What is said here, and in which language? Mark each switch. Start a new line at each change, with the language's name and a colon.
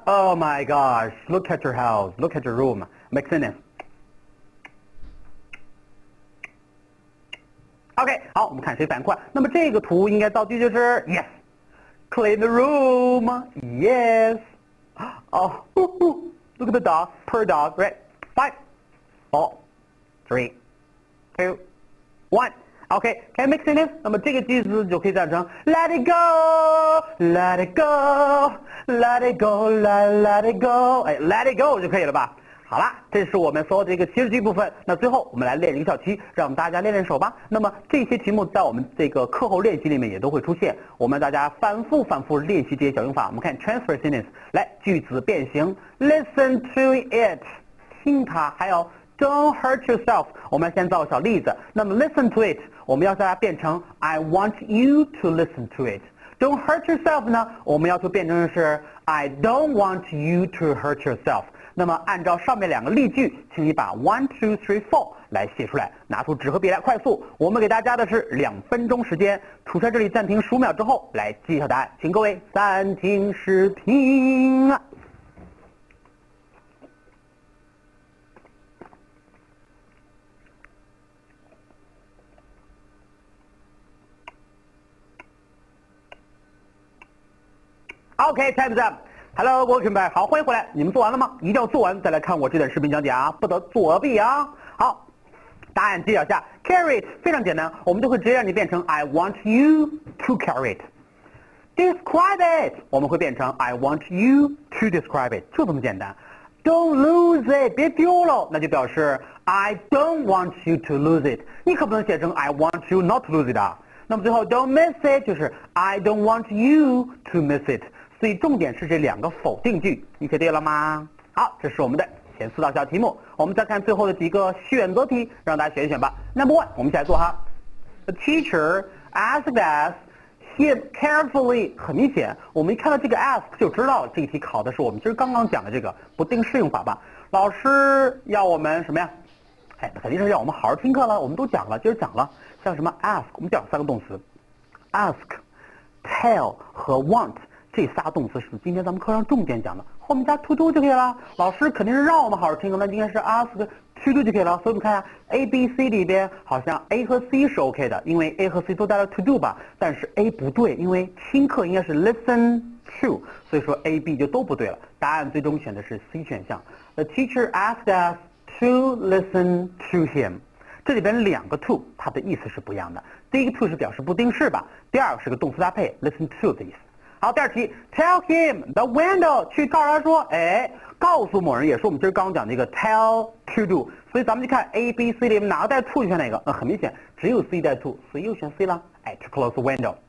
English: Oh my gosh， look at your house， look at your room， make sense。
Chinese: OK， 好，我们看谁反应快。那么这个图应该造句就是
English: yes， clean the room， yes。 Oh， look at the dog， poor dog， right， five， four， three， two， one。 OK， can make sense。
Chinese: 那么这个句子就可以讲成
English: Let it go， Let it go， Let it go， Let it go， 哎， Let it go
Chinese: 就可以了吧。好了，这是我们所有的一个祈使句部分。那最后我们来练一个小题，让大家练练手吧。那么这些题目在我们这个课后练习里面也都会出现，我们大家反复练习这些小用法。我们看
English: transfer sentence，
Chinese: 来句子变形，
English: Listen to it，
Chinese: 听它，还有
English: Don't hurt yourself。
Chinese: 我们先造个小例子，那么
English: listen to it
Chinese: 我们要大家变成
English: I want you to listen to it。 Don't hurt yourself
Chinese: 呢，我们要求变成的是
English: I don't want you to hurt yourself。
Chinese: 那么按照上面两个例句，请你把 1, 2, 3, 4 来写出来，拿出纸和笔来快速。我们给大家的是两分钟时间，楚帅这里暂停十五秒之后来记一下答案，请各位暂停视频。
English: OK, time's up. Hello, welcome back.
Chinese: 好，欢迎回来。你们做完了吗？一定要做完再来看我这段视频讲解啊，不得作弊啊。好，答案揭晓下。
English: Carry it
Chinese: 非常简单，我们就会直接让你变成
English: I want you to carry it. Describe it
Chinese: 我们会变成
English: I want you to describe it，
Chinese: 就这么简单。
English: Don't lose lose it，
Chinese: 别丢了，那就表示
English: I don't want you to lose it。
Chinese: 你可不能写成
English: I want you not to lose it
Chinese: 啊。那么最后
English: don't miss it
Chinese: 就是
English: I don't want you to miss it。
Chinese: 所以重点是这两个否定句，你写对了吗？好，这是我们的前四道小题目，我们再看最后的几个选择题，让大家选一选吧。
English: Number one，
Chinese: 我们一起来做哈。
English: The teacher asked us him carefully，
Chinese: 很明显，我们一看到这个 ask 就知道这个题考的是我们今儿刚刚讲的这个不定式用法吧。老师要我们什么呀？哎，肯定是要我们好好听课了。我们都讲了，今儿讲了，像什么 ask， 我们讲三个动词 ，ask、tell 和 want。这仨动词是今天咱们课上重点讲的，后面加 to do 就可以了。老师肯定是让我们好好听的，那应该是 ask to do 就可以了。所以我们看一下 A B C 里边，好像 A 和 C 是 OK 的，因为 A 和 C 都带了 to do 吧。但是 A 不对，因为听课应该是 listen to， 所以说 A B 就都不对了。答案最终选的是 C 选项。
English: The teacher asked us to listen to him。
Chinese: 这里边两个 to， 它的意思是不一样的。第一个 to 是表示不定式吧，第二个是个动词搭配 listen to 的意思。好，第二题 ，
English: tell him the window，
Chinese: 去告诉他说，哎，告诉某人也是我们今儿刚讲的一个 tell to do， 所以咱们去看 A B C 里面哪个带 to 选哪个，那很明显只有 C 带 to， 所以又选 C 了，哎 ，
English: to close the window。